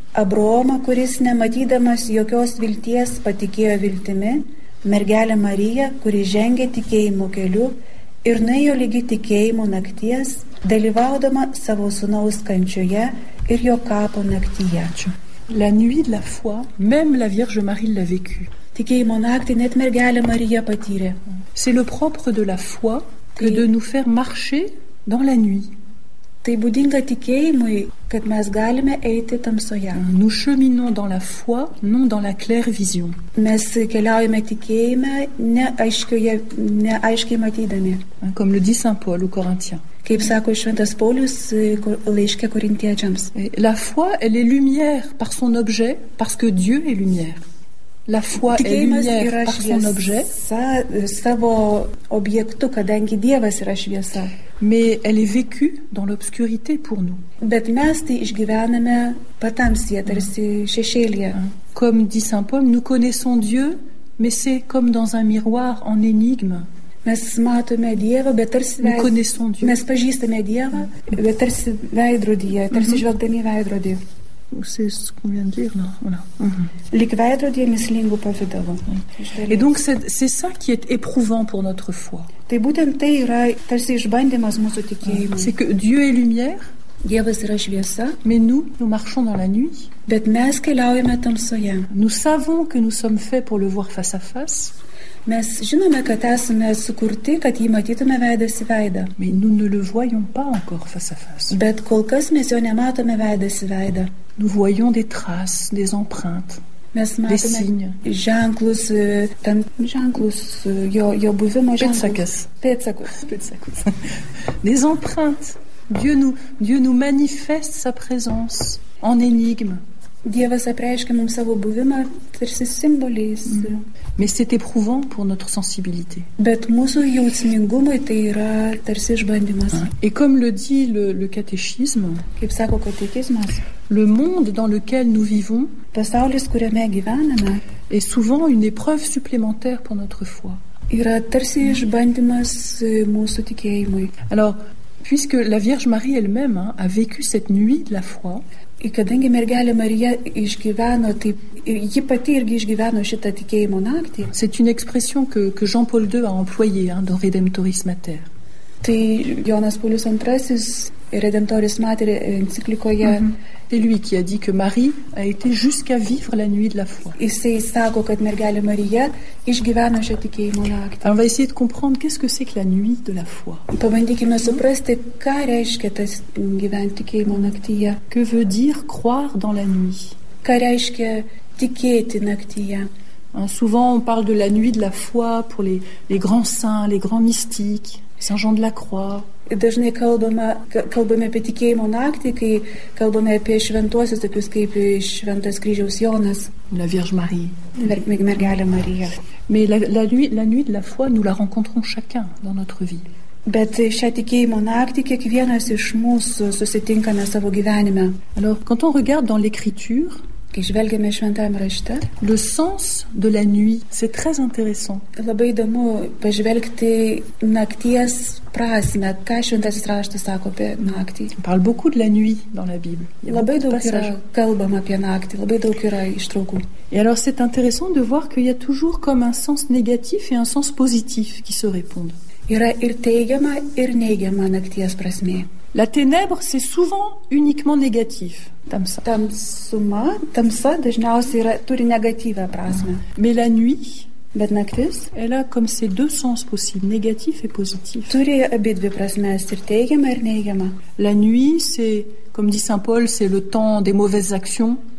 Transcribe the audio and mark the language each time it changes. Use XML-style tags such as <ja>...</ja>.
<lt>Abraomą, kuris nematydamas jokios vilties patikėjo viltimi, mergelę Mariją, kuri žengė tikėjimo keliu ir nuėjo lygi tikėjimo nakties, dalyvaudama savo sūnaus kančioje ir jo kapo naktyje.</lt> <fr>La nuit de la foi, même la Vierge Marie l'a vécu.</fr> <lt>Tikėjimo naktį net mergelė Marija patyrė.</lt> <fr>C'est le propre de la foi que de nous faire marcher dans la nuit.</fr> <lt>Tai būdinga tikėjimui, kad mes galime eiti tamsoje.</lt> <fr>Nous cheminons dans la foi, non dans la claire vision.</fr> <lt>Mes keliaujame tikėjime, neaiškiai matydami.</lt> <fr>Comme le dit saint Paul aux Corinthiens.</fr> <lt>Kaip sako šventas Paulius laiške korintiečiams.</lt> <fr>La foi, elle est lumière par son objet, parce que Dieu est lumière. La foi</fr> <lt>tikėjimas</lt> <fr>est lumière par son objet.</fr> <lt>Savo objektu, kadangi Dievas yra šviesa.</lt> <fr>Mais elle est vécue dans l'obscurité pour nous.</fr> <lt>Bet mes tai išgyvename patamsyje, tarsi šešėlyje.</lt> <fr>Comme dit saint Paul, nous connaissons Dieu, mais c'est comme dans un miroir en énigme.</fr> <lt>Mes matome Dievą, bet tarsi mes pažįstame Dievą, bet tarsi veidrodyje, tarsi žvelgdami veidrodį.</lt> <fr>C'est ce qu'on vient de dire, non? Voilà.</fr> <lt>Lyg veidrodyje mislingų pavidalų.</lt> <fr>Et donc c'est ça qui est éprouvant pour notre foi.</fr> <lt>Tai būtent tai yra tarsi išbandymas mūsų tikėjimui.</lt> <fr>C'est que Dieu est lumière.</fr> <lt>Dievas yra šviesa.</lt> <fr>Mais nous marchons dans la nuit.</fr> <lt>Bet mes keliaujame tamsoje.</lt> <fr>Nous savons que nous sommes faits pour le voir face à face.</fr> <lt>Mes žinome, kad esame sukurti, kad jį matytume veidas į veidą.</lt> <fr>Mais nous ne le voyons pas encore face à face.</fr> <lt>Bet kol kas mes jo nematome veidas į veidą.</lt> <fr>Nous voyons des traces, des empreintes,</fr> <lt>mes matome</lt> <fr>des signes.</fr> <lt>Ženklus, ten ženklus, jo buvimo ženklus. Pėdsakus.</lt> <fr>Des empreintes. Dieu nous manifeste sa présence en énigme.</fr> <lt>Dievas apreiškia mums savo buvimą tarsi simboliais.</lt> <fr>Mais c'est éprouvant pour notre sensibilité.</fr> <lt>Bet mūsų jausmingumui tai yra tarsi išbandymas.</lt> <fr>Et comme le dit le catéchisme,</fr> <lt>kaip sako katekizmas,</lt> <fr>le monde dans lequel nous vivons,</fr> <lt>pasaulis, kuriame gyvename,</lt> <fr>est souvent une épreuve supplémentaire pour notre foi.</fr> <lt>Yra tarsi išbandymas mūsų tikėjimui.</lt> <fr>Alors, puisque la Vierge Marie elle-même a vécu cette nuit de la foi,</fr> <lt>ir kadangi mergelė Marija išgyveno, taip, ji pati irgi išgyveno šitą tikėjimo naktį.</lt> <fr>C'est une expression que Jean-Paul II a employé dans Redemptoris Mater.</fr> <lt>Tai Jonas Paulius II Redemptoris Mater enciklikoje.</lt> <fr>C'est lui qui a dit que Marie a été jusqu'à vivre la nuit de la foi.</fr> <lt>Jisai sako, kad mergelė Marija išgyveno šią tikėjimo naktį.</lt> <fr>On va essayer de comprendre qu'est-ce que c'est que la nuit de la foi.</fr> <lt>Pabandykime suprasti, ką reiškia tas gyventi tikėjimo naktyje.</lt> <fr>Que veut dire croire dans la nuit?</fr> <lt>Ką reiškia tikėti naktyje?</lt> <fr>Souvent on parle de la nuit de la foi pour les grands saints, les grands mystiques. Saint Jean de la Croix.</fr> <lt>Dažnai kalbame apie tikėjimo naktį, kai kalbame apie šventuosius, tokius kaip Šventas Kryžiaus Jonas.</lt> <fr>La Vierge Marie.</fr> <lt>Mergelė Marija.</lt> <fr>Mais la nuit de la foi, nous la rencontrons chacun dans notre vie.</fr> <lt>Bet šią tikėjimo naktį kiekvienas iš mūsų susitinkame savo gyvenime.</lt> <fr>Alors, quand on regarde dans l'écriture,</fr> <lt>kai žvelgiame šventame rašte,</lt> <fr>le sens de la nuit, c'est très intéressant.</fr> <lt>Labai įdomu pažvelgti nakties prasme, ką šventasis raštas sako apie naktį.</lt> <fr>On parle beaucoup de la nuit dans la Bible.</fr> <lt>Labai daug yra kalbama apie naktį, labai daug yra ištraukų.</lt> <fr>Et alors c'est intéressant de voir qu'il y a toujours comme un sens négatif et un sens positif qui se répondent.</fr> <lt>Yra ir teigiama, ir neigiama nakties prasme.</lt> <fr>La ténèbre, c'est souvent uniquement négatif.</fr> <lt>Tamsa. Tamsuma, tamsa dažniausiai yra, turi negatyvą prasme.</lt> <fr>Mais la nuit,</fr> <lt>bet naktis,</lt> <fr>elle a comme ces deux sens possibles, négatif et positif.</fr> <lt>Turi abidvi prasmes, ir teigiama, ir neigiama.</lt> <fr>La nuit, c'est, comme dit Saint Paul, c'est le temps des mauvaises actions.</fr>